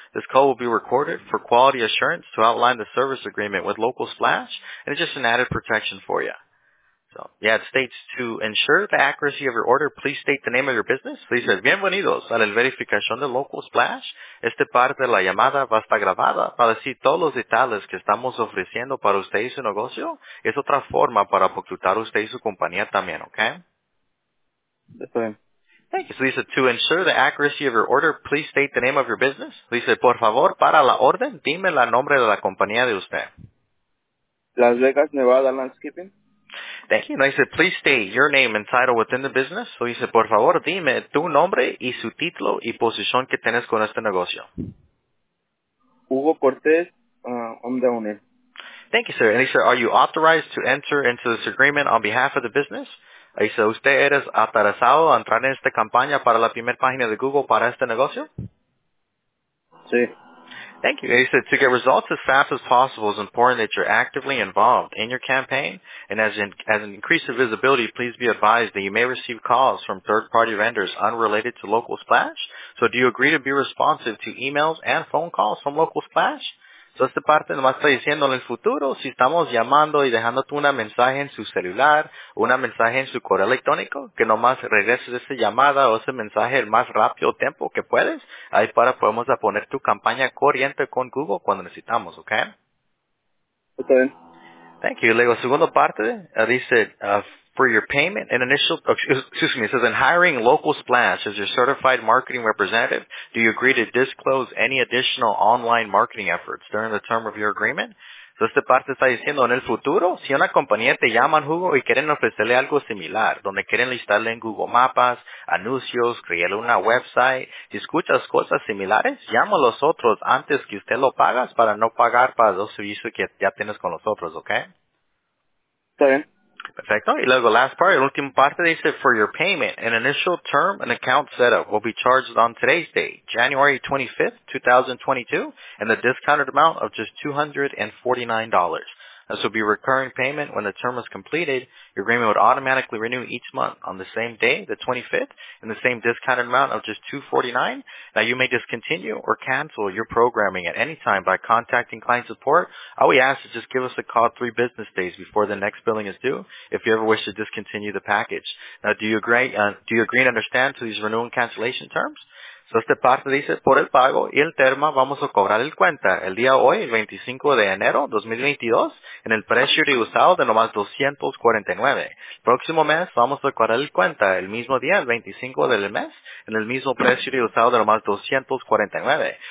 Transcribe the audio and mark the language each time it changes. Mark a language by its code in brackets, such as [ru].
[en] This call will be recorded for quality assurance to outline the service agreement with Local Splash, and it's just an added protection for you. So, yeah, it states, to ensure the accuracy of your order, please state the name of your business. [es] Dice, bienvenidos a la verificación de Local Splash. Esta parte de la llamada va a estar grabada para decir todos los detalles que estamos ofreciendo para usted y su negocio. Es otra forma para ocultar usted y su compañía también, ¿okay? Está bien. [en] Thank you. [es] So, dice, [en] to ensure the accuracy of your order, please state the name of your business. [es] Dice, por favor, para la orden, dime el nombre de la compañía de usted. [en] Las Vegas, Nevada Landscaping. thank you. And I said, please state your name and title within the business. So he said, [es] por favor, dime tu nombre y su título y posición que tienes con este negocio. [en] Hugo Cortez, I'm the owner. Thank you, sir. And he said, are you authorized to enter into this agreement on behalf of the business? I said, [es] ¿usted eres autorizado a entrar en esta campaña para la primera página de Google para este negocio? Sí. [en] Thank you. And he said, to get results as fast as possible, it's important that you're actively involved in your campaign. And as an increase of visibility, please be advised that you may receive calls from third-party vendors unrelated to Local Splash. So do you agree to be responsive to emails and phone calls from Local Splash? So [es] esta parte nomás está diciendo en el futuro, si estamos llamando y dejándote una mensaje en su celular, una mensaje en su correo electrónico, que nomás regreses esa llamada o ese mensaje el más rápido tiempo que puedes, ahí para podemos poner tu campaña corriente con Google cuando necesitamos, ¿ok? Ok. [en] Thank you. [es] Luego, segunda parte, dice, [en] for your payment and initial, excuse me, it says, in hiring Local Splash as your certified marketing representative, do you agree to disclose any additional online marketing efforts during the term of your agreement? So [es] esta parte está diciendo, en el futuro, si una compañía te llama en Google y quieren ofrecerle algo similar, donde quieren listarle en Google Maps, anuncios, crearle una website, si escuchas cosas similares, llama a los otros antes que usted lo pagas para no pagar para los servicios que ya tienes con los otros, ¿ok? Está bien. Perfecto. Y luego, [en] last part, [es] el último parte dice, [en] for your payment, an initial term and account setup will be charged on today's date, January 25th, 2022, and the discounted amount of just $249. This will be recurring payment when the term is completed. Your agreement would automatically renew each month on the same day, the 25th, and the same discounted amount of just $249. Now, you may discontinue or cancel your programming at any time by contacting client support. All we ask is just give us a call 3 business days before the next billing is due if you ever wish to discontinue the package. Now, do you agree and understand to these renewal and cancellation terms? [es] So esta parte dice, por el pago y el termo vamos a cobrar el cuenta el día hoy, el 25 de enero 2022, en el precio reusado de nomás $249. Próximo mes vamos a cobrar el cuenta el mismo día, el 25 del mes, en el mismo precio reusado de nomás $249.